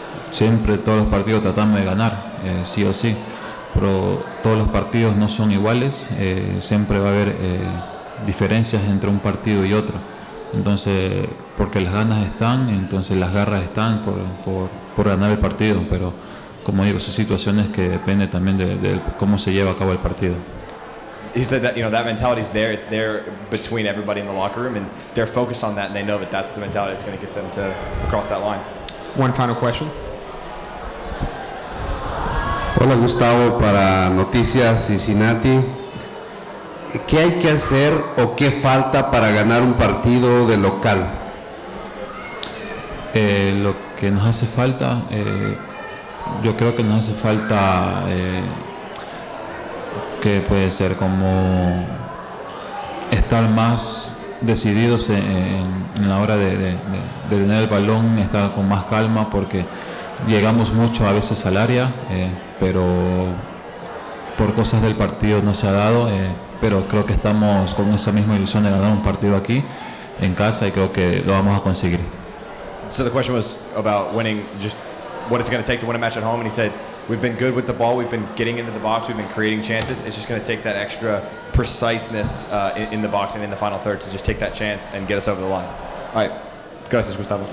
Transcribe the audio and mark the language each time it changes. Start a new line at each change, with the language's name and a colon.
Spanish: Siempre todos los partidos tratamos de ganar, sí o sí. pero todos los partidos no son iguales, siempre va a haber diferencias entre un partido y otro. Entonces, porque las ganas están, entonces las garras están por ganar el partido, pero como digo, son situaciones que depende también de cómo se lleva a cabo el partido.
English: He said that, you know, that mentality is there. It's there between everybody in the locker room, and they're focused on that, and they know that that's the mentality that's going to get them to cross that line. One final question.
Spanish: Hola, Gustavo, para Noticias Cincinnati. ¿Qué hay que hacer o qué falta para ganar un partido de local? Lo que nos hace falta, yo creo que nos hace falta, que puede ser como estar más decididos en la hora de tener el balón, estar con más calma, porque llegamos mucho a veces al área, pero por cosas del partido no se ha dado. Pero creo que estamos con esa misma ilusión de ganar un partido aquí en casa y creo que lo vamos a conseguir.
English: So the question was about winning, just what it's going to take to win a match at home, and he said we've been good with the ball, we've been getting into the box, we've been creating chances. It's just going to take that extra preciseness in the box and in the final third to just take that chance and get us over the line. All right, gracias, Gustavo.